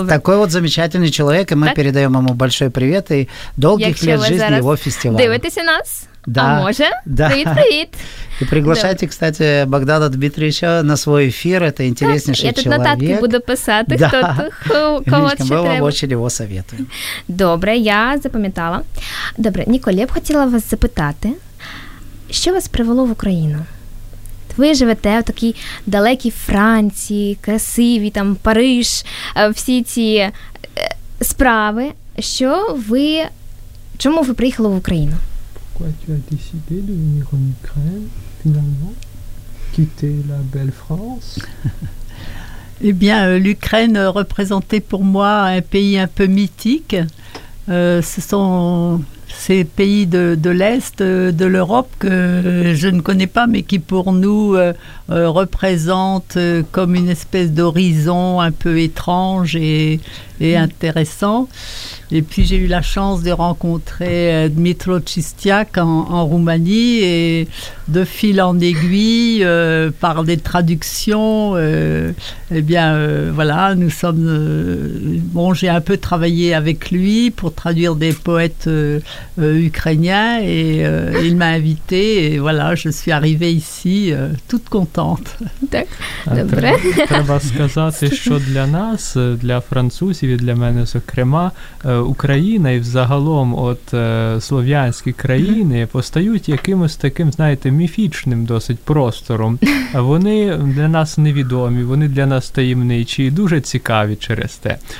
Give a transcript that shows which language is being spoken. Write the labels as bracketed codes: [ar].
[ru] Вот такой вот замечательный человек, и мы передаем ему большой привет и долгих лет жизни его фестивалю. [uk] Дивитеся нас? [ru] Да. [uk] А може? [ru] Да. [uk] Привіт-привіт. [ru] И приглашайте, кстати, Богдана Дмитрича на свой эфир. Это интереснейший человек. Я тут человек. [uk] Нотатки буду писати, да. Кого ще треба. [ru] Мы вам очень его советуем. [uk] Добре, я запам'ятала. Добре, Ніколь, я б хотіла вас запитати, що вас привело в Україну? Ви живете в такій далекій Франції, красивій, там, Париж, всі ці справи. Що ви, чому ви приїхали в Україну? [fr] Pourquoi tu as décidé de venir en Ukraine, finalement, quitter la belle France? Eh bien, l'Ukraine représentait pour moi un pays un peu mythique. Ce sont ces pays de l'Est, de l'Europe, que je ne connais pas, mais qui pour nous représentent comme une espèce d'horizon un peu étrange et intéressant. Et puis j'ai eu la chance de rencontrer Dmitro Chistiak en Roumanie, et de fil en aiguille, par des traductions, nous sommes... j'ai un peu travaillé avec lui pour traduire des poètes ukrainiens, et il m'a invité, et voilà, je suis arrivée ici toute contente. [uk] Треба сказати, що для нас, для французів і для мене, зокрема, Україна і взагалом от слов'янські країни постають якимось таким, знаєте, міфічним досить простором. Вони для нас невідомі, вони для нас таємничі і дуже цікаві через те.